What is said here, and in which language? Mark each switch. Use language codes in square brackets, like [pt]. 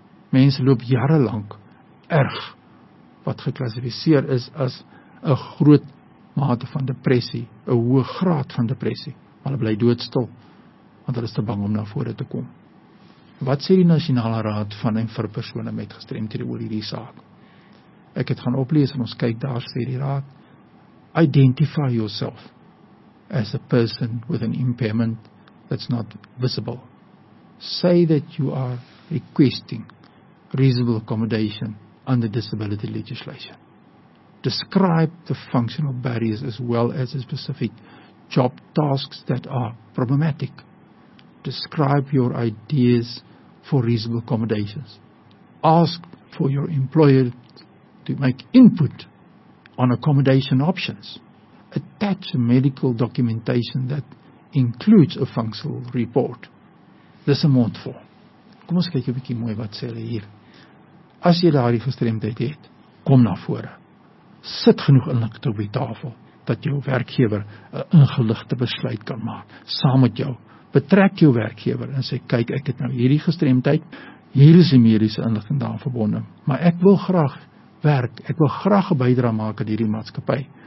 [af] Mense loop jare lank erg wat geklassifiseer is as 'n groot mate van depressie, 'n hoë graad van depressie, maar hulle bly doodstil, want hulle is te bang om na vore te kom. Wat sê die Nasionale Raad van en vir persone met gestremdhede oor hierdie saak? Ek het gaan oplees en ons kyk daar sê die raad. [en] Identify yourself as a person with an impairment that's not visible. Say that you are requesting reasonable accommodation under disability legislation. Describe the functional barriers as well as the specific job tasks that are problematic. Describe your ideas for reasonable accommodations. Ask for your employer to make input on accommodation options. Attach medical documentation that includes a functional report. [af] Dis 'n mondvol. Kom ons kyk 'n bietjie mooi wat sê hulle hier. As jy daardie gestremdheid het, kom na vore. Sit genoeg inligting op die tafel dat jou werkgewer 'n ingeligte besluit kan maak saam met jou. Betrek jou werkgewer en sê, kyk, ek het nou hierdie gestremdheid, hier is die mediese inligting daar verbonde, maar ek wil graag werk, ek wil graag 'n bydrae maak aan hierdie maatskappy.